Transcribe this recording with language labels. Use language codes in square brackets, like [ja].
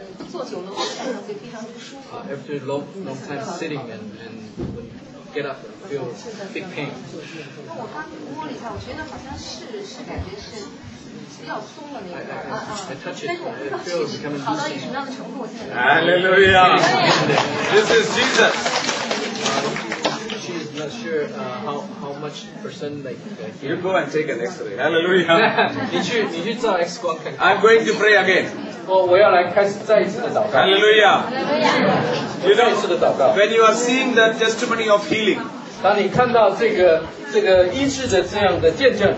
[zh] 坐久了会感到非常不舒服。 [en] After long time sitting and get up, feel big pain. [zh] 那我刚摸了一下，我觉得好像是感觉是比较松了那块啊，但是我不知道是好到一什么样的程度。 [en] Hallelujah! This is Jesus. She is not sure how much percent like. You go and take an X-ray. Hallelujah! [zh] 你去照 X 光看看。 [en] I'm going to pray again. [zh] 我要来开始再一次的祷告。 [en] Hallelujah! [zh] You know, 再一次的祷告。 [en] When you are seeing the testimony of healing, [zh] 当你看到这个医治的这样的见证